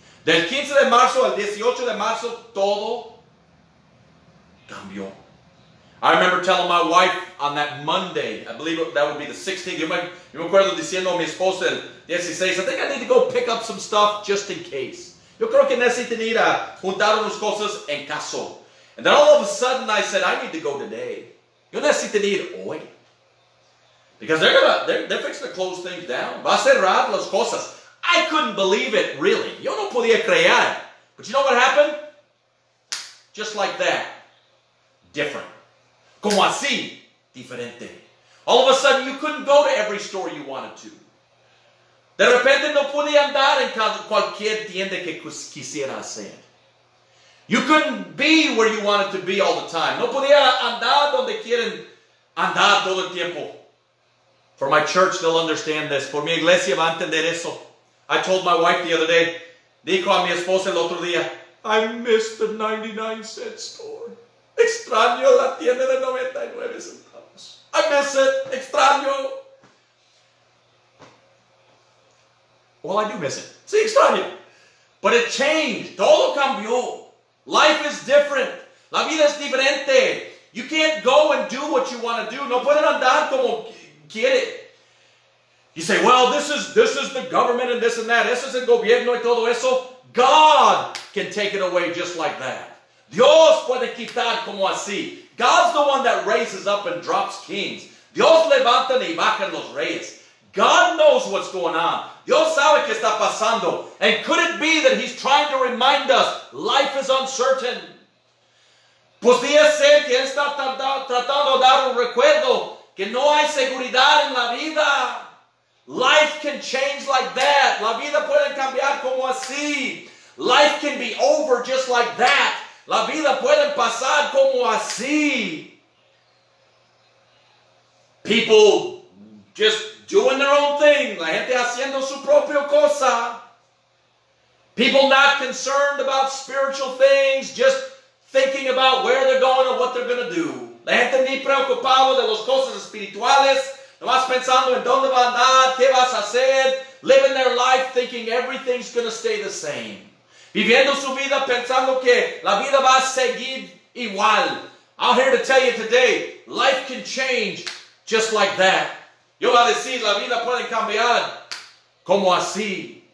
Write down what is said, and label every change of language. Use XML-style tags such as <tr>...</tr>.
<es>Del 15 de marzo al 18 de marzo, todo cambió.</es> <en>I remember telling my wife on that Monday, I believe that would be the 16th.</en> <es>Yo me acuerdo diciendo a mi esposa el 16,</es> <en>I think I need to go pick up some stuff just in case.</en> <es>Yo creo que necesito ir a juntar unas cosas en caso.</es> <en>And then all of a sudden I said, I need to go today.</en> <es>Yo necesito ir hoy.</es> <en>Because they're fixing to close things down.</en> <es>Va a cerrar las cosas.</es> <en>I couldn't believe it, really.</en> <es>Yo no podía creer.</es> <en>But you know what happened? Just like that. Different.</en> <es>Como así, diferente.</es> <en>All of a sudden, you couldn't go to every store you wanted to.</en> <es>De repente, no podía andar en cualquier tienda que quisiera hacer.</es> <en>You couldn't be where you wanted to be all the time.</en> <es>No podía andar donde quieren andar todo el tiempo.</es> <en>For my church, they'll understand this.</en> <es>Por mi iglesia, va a entender eso.</es> <en>I told my wife the other day,</en> <es>dijo a mi esposa el otro día,</es> <en>I miss the 99-cent store.</en> <es>Extraño la tienda de 99 centavos.</es> <en>I miss it.</en> <es>Extraño.</es> <en>Well, I do miss it.</en> <es>Sí, extraño.</es> <en>But it changed.</en> <es>Todo cambió.</es> <en>Life is different.</en> <es>La vida es diferente.</es> <en>You can't go and do what you want to do.</en> <es>No pueden andar como quiere.</es> <en>You say, well, this is the government and this and that.</en> <es>Eso es el gobierno y todo eso.</es> <en>God can take it away just like that.</en> <es>Dios puede quitar como así.</es> <en>God's the one that raises up and drops kings.</en> <es>Dios levanta y baja los reyes.</es> <en>God knows what's going on.</en> <es>Dios sabe qué está pasando.</es> <en>And could it be that he's trying to remind us life is uncertain?</en> <es>Podría ser que él está tratando de dar un recuerdo que no hay seguridad en la vida.</es> <en>Life can change like that.</en> <es>La vida puede cambiar como así.</es> <en>Life can be over just like that.</en> <es>La vida puede pasar como así.</es> <en>People just doing their own thing.</en> <es>La gente haciendo su propia cosa.</es> <en>People not concerned about spiritual things. Just thinking about where they're going or what they're going to do.</en> <es>La gente ni preocupado de las cosas espirituales. Nomás pensando en dónde va a andar, qué vas a hacer.</es> <en>Living their life thinking everything's going to stay the same.</en> <es>Viviendo su vida pensando que la vida va a seguir igual.</es> <en>I'm here to tell you today, life can change just like that.</en> <es>Yo voy a decir, la vida puede cambiar como así.</es>